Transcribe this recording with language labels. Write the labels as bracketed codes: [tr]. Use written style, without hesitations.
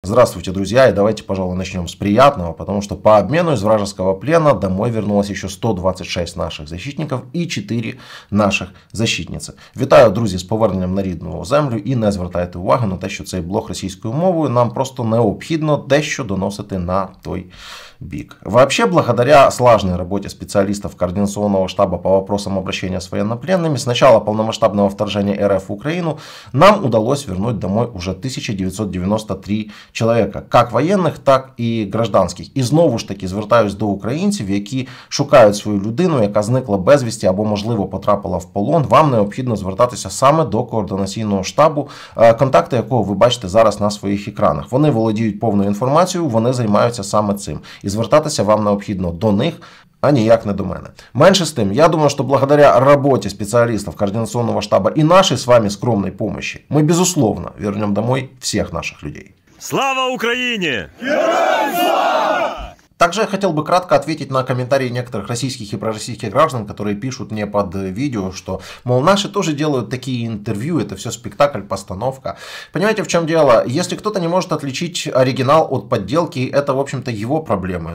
[ru] Здравствуйте, друзья, и давайте, пожалуй, начнем с приятного, потому что по обмену из вражеского плена домой вернулось еще 126 наших защитников и 4 наших защитницы. [uk] Вітаю, друзі, з поверненням на рідну землю і не звертайте увагу на те, що цей блог російською мовою нам просто необхідно дещо доносити на той бік. [ru] Вообще, благодаря слаженной работе специалистов координационного штаба по вопросам обращения с военнопленными, с начала полномасштабного вторжения РФ в Украину нам удалось вернуть домой уже 1993 человека, как военных, так и гражданских. [uk] И знову ж таки звертаюсь до українців, які шукають свою людину, яка зникла безвісти або, можливо, потрапила в полон. Вам необхідно звертатися саме до координаційного штабу, контакти якого ви бачите зараз на своїх екранах. Вони володіють повною інформацією, вони займаються саме цим. І звертатися вам необхідно до них, а ніяк не до мене. Менше з тим, я думаю, що благодаря роботі спеціалістів координаційного штабу і нашій з вами скромній допомогі, ми, безусловно, вернемо домой всіх наших людей. [ru] Слава Украине! [uk] Героям слава! [ru] Также я хотел бы кратко ответить на комментарии некоторых российских и пророссийских граждан, которые пишут мне под видео, что, мол, наши тоже делают такие интервью, это все спектакль, постановка. Понимаете, в чем дело? Если кто-то не может отличить оригинал от подделки, это, в общем-то, его проблемы.